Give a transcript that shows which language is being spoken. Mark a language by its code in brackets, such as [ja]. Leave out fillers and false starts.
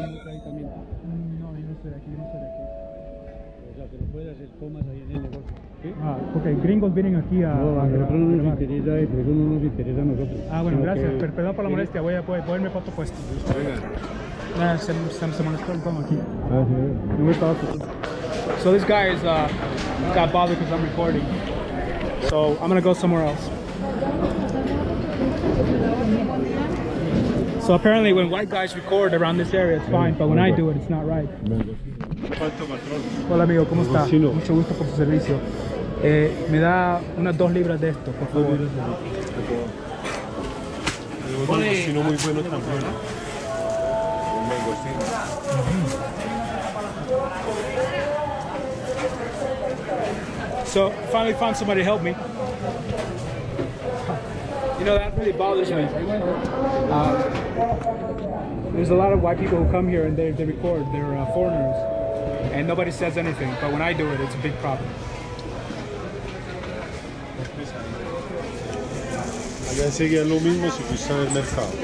[es] No, yo no sé de aquí, yo no sé de aquí. Okay, gringos vienen aquí a... No, a nosotros no nos interesa eso, eso no nos interesa a nosotros. Ah, bueno, gracias. Que... Perdón por la molestia, voy a irme para otro puesto. Venga. Nah, se molestó el tono aquí. Ah, sí, no me estaba. [en] So this guy is got bothered because I'm recording. So I'm gonna go somewhere else. So apparently when white guys record around this area, it's fine. But when I do it, it's not right. [es] Hola amigo, ¿cómo está? Mucho gusto por su servicio. Me da unas 2 libras de esto, por favor. Es un cochino muy bueno también. Un mangocino. [en] So, finally found somebody to help me. You know, that really bothers me. There's a lot of white people who come here and they record. They're foreigners. And nobody says anything. But when I do it, it's a big problem. [es] Allá sería lo mismo si fuese en el mercado.